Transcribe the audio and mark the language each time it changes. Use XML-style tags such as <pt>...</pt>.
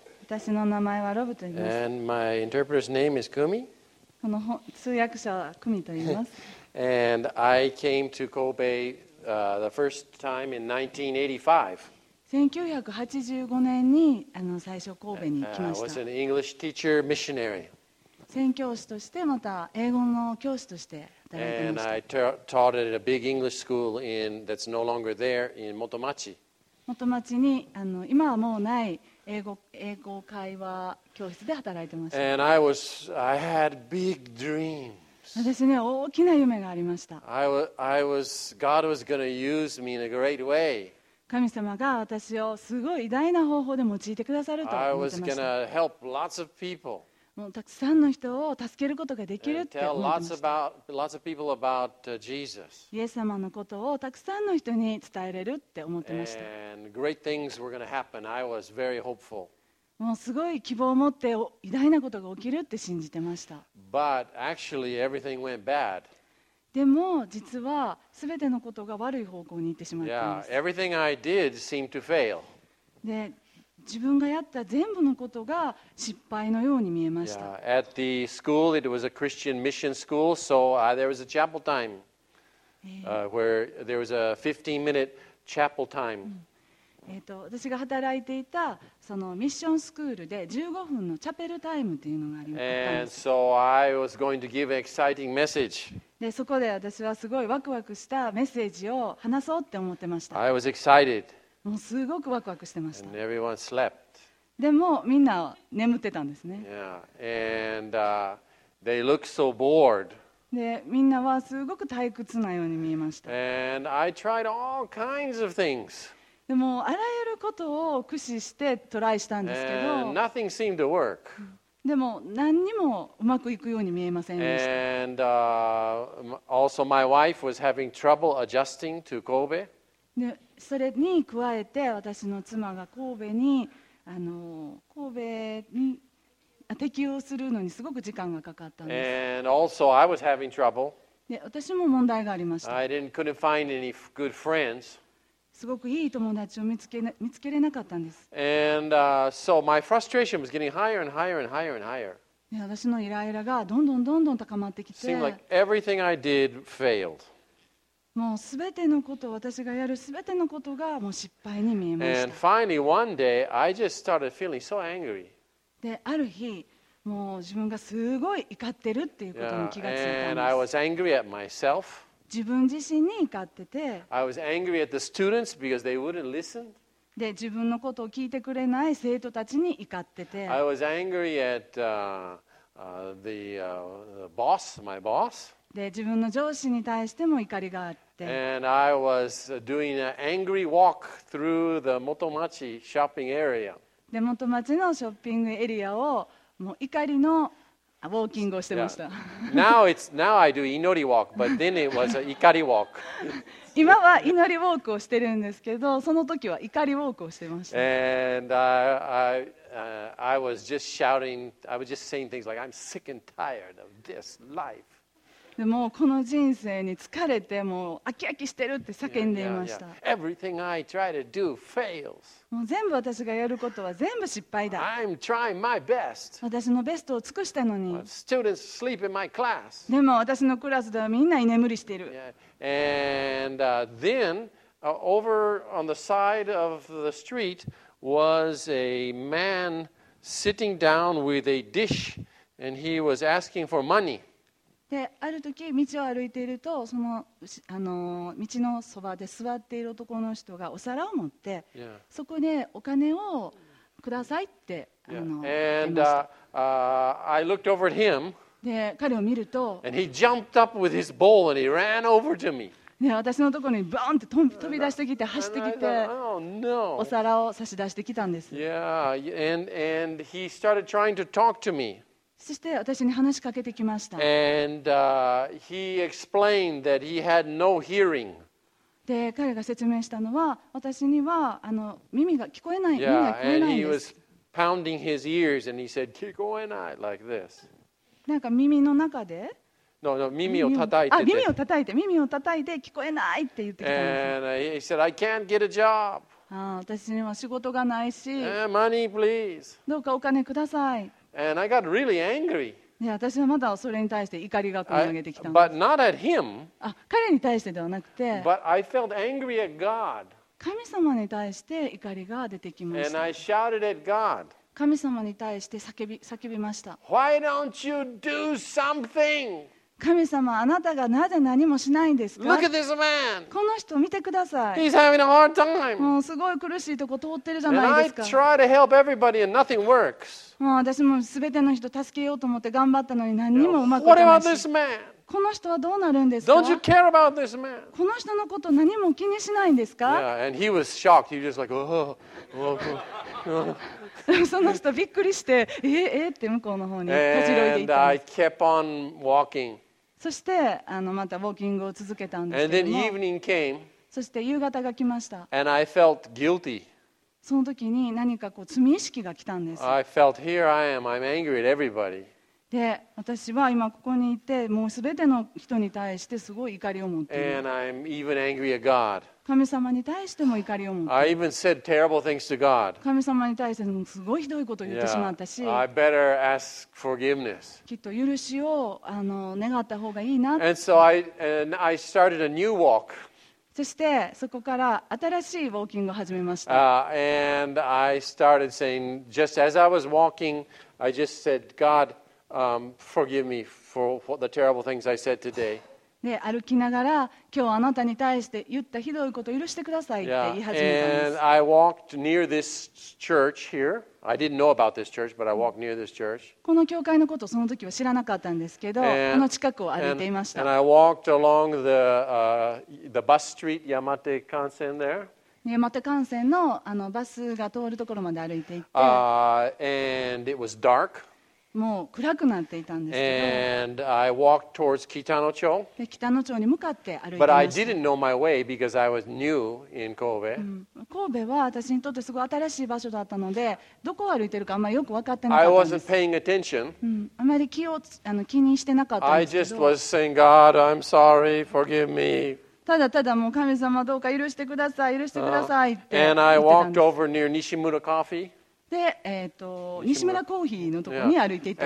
<ja>私の名前はロブと言います。</ja> <en>And my interpreter's name is Kumi.</en> <ja>この通訳者はクミと言います。</ja> <en>And I came to Kobe, the first time in 1985.</en> <ja>1985年にあの最初神戸に来ました。</ja> <en>I was an English teacher missionary.</en> <ja>宣教師としてまた英語の教師として。</ja> <en>And I taught at a big English school in that's no longer there in Motomachi.</en> <ja>Motomachi にあの今はもうない英語会話教室で働いてました。</ja> <en>And I had big dreams.</en> <ja>私ね大きな夢がありました。</ja> <en>God was going to use me in a great way.</en> <ja>神様が私をすごい偉大な方法で用いてくださると思ってました。</ja> <en>I was going to help lots of people.</en> <ja>もうたくさんの人を助けることができるって思ってました。</ja> <en>lots of about Jesus.</en> <ja>イエス様のことをたくさんの人に伝えれるって思ってました。</ja> <en>And great things were going to happen. I was very hopeful.</en> <ja>もうすごい希望を持って偉大なことが起きるって信じてました。</ja> <en>But actually everything went bad.</en> <ja>でも実は全てのことが悪い方向に行ってしまったんです。</ja> <en>Yeah, everything I did seemed to fail.</en> <ja>で自分がやった全部のことが失敗のように見えました。</ja> <en>Yeah. At the school, it was a Christian mission school, so there was a chapel time where there was a 15-minute chapel time.</en> <ja>私が働いていたそのミッションスクールで15分のチャペルタイムというのがありました。</ja> <en>And so I was going to give an exciting message.</en> <ja>でそこで私はすごいワクワクしたメッセージを話そうって思ってました。</ja> <en>I was excited.</en> <ja>もうすごくワクワクしてました。</ja> <en>And everyone slept.</en> <ja>でもみんな眠ってたんですね。</ja> <en>Yeah. And, they look so bored.</en> <ja>でみんなはすごく退屈なように見えました。</ja> <en>And I tried all kinds of things.</en> <ja>でもあらゆることを駆使してトライしたんですけど。</ja> <en>And nothing seemed to work.</en> <ja>でも何にもうまくいくように見えませんでした。</ja> <en>And, also my wife was having trouble adjusting to Kobe.</en> <ja>でそれに加えて私の妻が神戸に神戸に適応するのにすごく時間がかかったんです。</ja> <en>And also I was having trouble.</en> <ja>で私も問題がありました。</ja> <en>couldn't find any good friends.</en> <ja>すごくいい友達を見つけれなかったんです。</ja> <en>And, so my frustration was getting higher and higher and higher and higher.</en> <ja>で私のイライラがどんどんどんどん高まってきて、</ja> <en>seemed like everything I did failed.</en> <ja>もう全てのこと、私がやる全てのことがもう失敗に見えました。</ja> <en>And finally, one day, I just started feeling so angry.</en> <ja>で、ある日、もう自分がすごい怒ってるっていうことに気がついたんです。</ja> <en>And I was angry at myself.</en> <ja>自分自身に怒ってて。</ja> <en>I was angry at the students because they wouldn't listen.</en> <ja>で、自分のことを聞いてくれない生徒たちに怒ってて。</ja> <en>I was angry at the boss, my boss.</en> <ja>で自分の上司に対しても怒りがあって。</ja> <en>And I was doing an angry walk through the Motomachi shopping area.</en> <ja>で、元町のショッピングエリアをもう怒りのウォーキングをしてました。</ja> <en>Yeah. Now I do 祈り walk, but then it was a 怒り walk.</en> <ja>今は祈りウォークをしてるんですけど、その時は怒りウォークをしてました。</ja> <en>And I was just shouting, I was just saying things like, I'm sick and tired of this life.</en> <ja>でもこの人生に疲れてもう飽き飽きしてるって叫んでいました。</ja> <en>yeah, yeah, yeah. Everything I try to do fails.</en> <ja>もう全部私がやることは全部失敗だ。</ja> <en>I'm trying my best.</en> <ja>私のベストを尽くしたのに。</ja> <en>But students sleep in my class.</en> <ja>でも私のクラスではみんな居眠りしてる。</ja> <en>yeah. And then over on the side of the street was a man sitting down with a dish and he was asking for money.</en> <ja>である時道を歩いているとその、道のそばで座っている男の人がお皿を持って、</ja> <en>yeah.</en> <ja>そこでお金をくださいって、</ja> <en>yeah.</en> <ja>言いました。</ja> <en>And, I looked over at him,</en> <ja>で彼を見るとで私のところにバーンって飛び出してきて走ってきて</ja> <en>thought, oh, no.</en> <ja>お皿を差し出してきたんです。</ja> <en>yeah. and he started trying to talk to me.</en> <ja>そして私に話しかけてきました。</ja> <en>And, he explained that he had no hearing.</en> <ja>で彼が説明したのは私には耳が聞こえない、</ja> <en>yeah.</en> <ja>耳が聞こえないんです。</ja> <en>And he was pounding his ears and he said,</en> <ja>聞こえない</ja> <en>like this.</en> <ja>なんか耳の中で No, no, 耳を叩いてて。あ、耳を叩いて、耳を叩いて聞こえないって言ってきたんです。</ja> <en>And he said, I can't get a job.</en> <ja>あ、私には仕事がないし。</ja> <en>Money, please.</en> <ja>どうかお金ください。</ja> <en>And I got really angry.</en> <ja>いや、私はまだそれに対して怒りが込み上げてきたんです。</ja> <en>But not at him.</en> <ja>あ、彼に対してではなくて。</ja> <en>But I felt angry at God.</en> <ja>神様に対して怒りが出てきました。</ja> <en>And I shouted at God.</en> <ja>神様に対して叫びました。</ja> <en>Why don't you do something?</en> <ja>神様、あなたがなぜ何もしないんですか?</ja> <en>Look at this man.</en> <ja>この人を見てください。</ja> <en>He's having a hard time.</en> <ja>もうすごい苦しいとこ通ってるじゃないですか。</ja> <en>And I try to help everybody and nothing works.</en> <ja>もう私も全ての人助けようと思って頑張ったのに何にもうまくいかないし、この人はどうなるんですか?</ja> <en>Don't you care about this man?</en> <ja>この人のこと何も気にしないんですか?</ja> <en>Yeah, and he was shocked. He was just like, oh, oh, oh.</en> <ja>その人びっくりして、って向こうの方に立ち寄りで行ったんです。</ja> <en>And I kept on walking.</en> <ja>そしてまたウォーキングを続けたんですけども</ja> <en>。 And then evening came.</en> <ja>そして夕方が来ました。</ja> <en>And I felt guilty.</en> <ja>その時に何かこう罪意識が来たんです。</ja> <en>I felt here I am. I'm angry at everybody.</en> <ja>で、私は今ここにいて、もうすべての人に対してすごい怒りを持っている。</ja> <en>And I'm even angry at God.</en> <ja>神様に対しても怒りを持っている。</ja> <en>I even said terrible things to God.</en> <ja>神様に対してもすごいひどいことを言ってしまったし。</ja> <en>Yeah. I better ask forgiveness.</en> <ja>きっと許しを願った方がいいなって。</ja> <en>And so I started a new walk.</en> <ja>そしてそこから新しいウォーキングを始めました。</ja> <en>And I started saying, just as I was walking, I just said, God, forgive me for the terrible things I said today.</en> <ja>で、歩きながら、今日あなたに対して言ったひどいことを許してくださいって言い始めたんです。</ja> <en>Yeah. And I walked near this church here. I didn't know about this church, but I walked near this church.</en> <ja>この教会のことをその時は知らなかったんですけど、この近くを歩いていました。</ja> <en>And I walked along the bus street, Yamate Kansen there.</en> <ja>山手幹線のバスが通るところまで歩いていって、</ja> <en>And it was dark.</en> <ja>もう暗くなっていたんですけど。</ja> <en>And I walked towards Kitano-cho.</en> <ja>で、北野町に向かって歩いてました。</ja> <en>But I didn't know my way because I was new in Kobe.</en> <ja>神戸は私にとってすごい新しい場所だったので、どこを歩いてるかあんまりよく分かってなかったんです。</ja> <en>I wasn't paying attention.</en> <ja>あまり気にしてなかったんですけど。</ja> <en>I just was saying, God, I'm sorry, forgive me.</en> <ja>ただただもう神様どうか許してください、許してくださいって言ってたんです。</ja> <en>And I walked over near Nishimura Coffee.</en> <ja>で、西村コーヒーのところに歩いていった</ja>